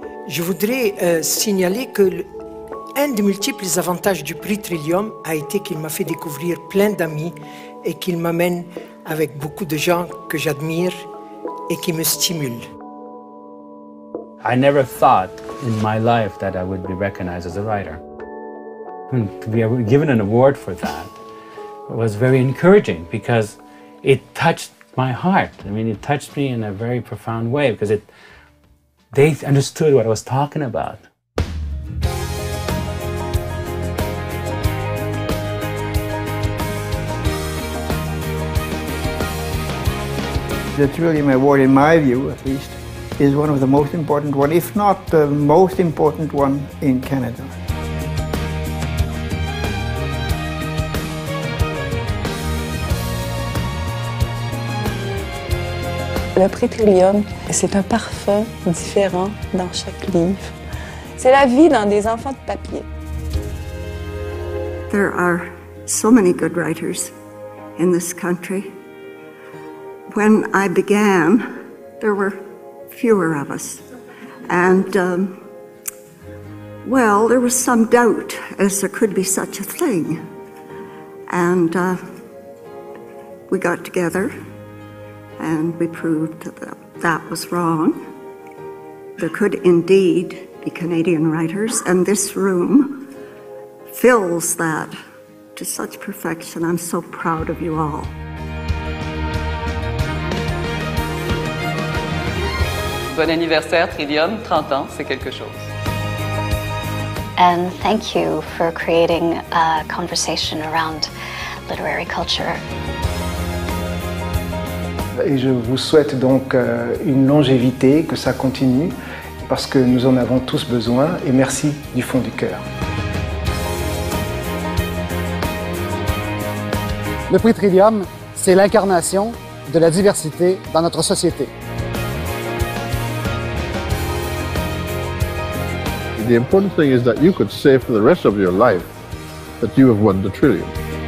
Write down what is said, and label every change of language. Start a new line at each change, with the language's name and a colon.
French: Je voudrais signaler que un des multiples avantages du prix Trillium a été qu'il m'a fait découvrir plein d'amis et qu'il m'amène avec beaucoup de gens que j'admire et qui me stimulent.
English: I never thought in my life that I would be recognized as a writer. And to be given an award for that was very encouraging because it touched my heart. I mean, it touched me in a very profound way because they understood what I was talking about. The Trillium Award, in my view at least, is one of the most important one, if not the most important one in Canada.
French: Le Prix Trillium, c'est un parfum différent dans chaque livre. C'est la vie dans des enfants de papier.
English: There are so many good writers in this country. When I began, there were fewer of us. And, well, there was some doubt as there could be such a thing. And we got together and we proved that that was wrong. There could indeed be Canadian writers, and this room fills that to such perfection. I'm so proud of you all.
French: Bon anniversaire, Trillium, 30 ans, c'est quelque chose.
English: And thank you for creating a conversation around literary culture.
French: Et je vous souhaite donc une longévité, que ça continue, parce que nous en avons tous besoin, et merci du fond du cœur. Le Prix Trillium, c'est l'incarnation de la diversité dans notre société.
English: The important thing is that you could say for the rest of your life that you have won the Trillium.